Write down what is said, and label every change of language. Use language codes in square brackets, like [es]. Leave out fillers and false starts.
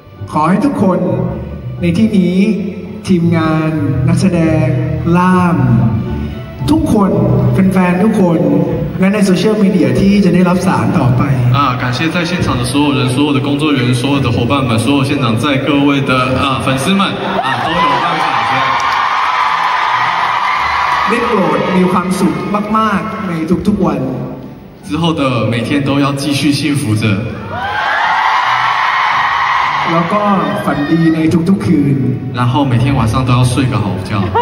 [th] ขอให้ทุกคนในที่นี้ทีมงานนักแสดงล่ามทุกคนแฟนๆทุกคนและในโซเชียลมีเดียที่จะได้รับสารต่อไป [zh] 感谢在现场的所有人所有的工作人员所有的伙伴们所有现场在各位的粉丝们都有办法 [th] 的ได้โปรดมีความสุขมากๆในทุกๆวัน [zh] 之后的每天都要继续幸福着 [th] แล้วก็ฝันดีในทุกๆคืน [zh] 然后每天晚上都要睡个好觉